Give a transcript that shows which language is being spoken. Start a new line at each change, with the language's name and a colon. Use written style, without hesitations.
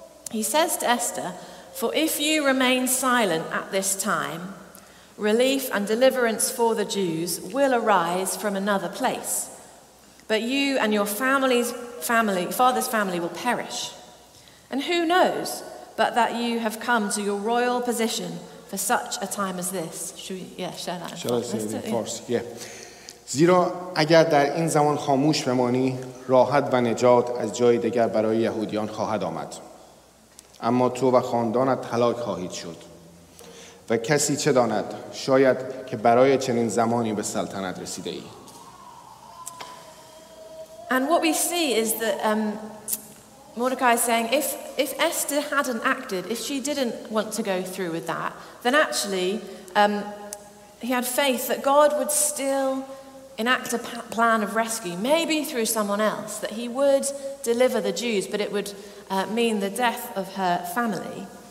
English: He says to Esther, "For if you remain silent at this time, relief and deliverance for the Jews will arise from another place. But you and your father's family will perish. And who knows but that you have come to your royal position for for such a time as this. Should we share that in Farsi?
Persian: زیرا اگر در این زمان خاموش بمانی راحت و نجات از جای دیگر برای یهودیان خواهد آمد اما تو و خاندانت هلاک خواهید شد و کسی چه داند شاید که برای چنین زمانی به سلطنت رسیده ای
English: And what we see is that Mordecai is saying if Esther hadn't acted if she didn't want to go through with that then actually he had faith that God would still enact a plan of rescue, maybe through someone else, that he would deliver the Jews, but it would mean the death of her family.